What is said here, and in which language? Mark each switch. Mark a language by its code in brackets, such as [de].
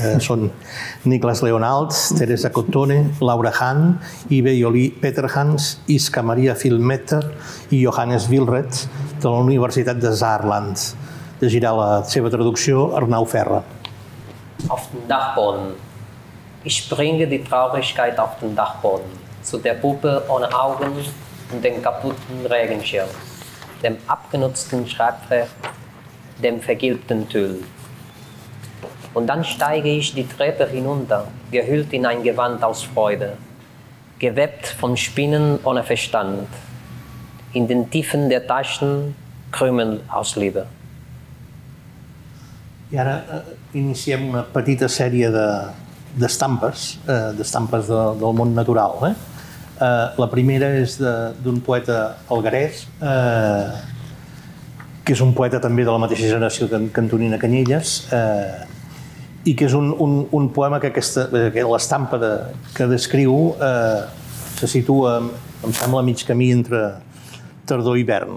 [ca] Són Niklas Leonhardt, Teresa Cottone, Laura Hahn, Ibe Joly Peterhans, Iska Maria Filmetter i Johannes Wilret de la Universitat de Saarland. Llegirà la seva traducció Arnau Ferra. [de] Auf dem Dachboden. Ich bringe die Traurigkeit auf den Dachboden, zu der Puppe ohne Augen und dem kaputten Regenschirm, dem abgenutzten Schreibtisch, dem vergilbten Tüll. Und dann steige ich die Treppe hinunter, gehüllt in ein Gewand aus Freude, gewebt von Spinnen ohne Verstand, in den Tiefen der Taschen Krümel aus Liebe. [ca] I ara iniciem una petita sèrie d'estampes del món natural. La primera és d'un poeta algarès, que és un poeta també de la mateixa generació que Antonina Canyelles, i que és un poema que l'estampa que descriu se situa, em sembla, a mig camí entre tardor i hivern.